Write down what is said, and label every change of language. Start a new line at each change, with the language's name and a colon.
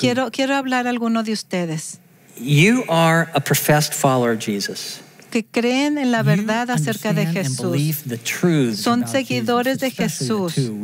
Spanish: Quiero hablar a alguno de ustedes.
English: You are a professed follower of Jesus.
Spanish: Que creen en la verdad acerca de Jesús. Son seguidores de Jesús.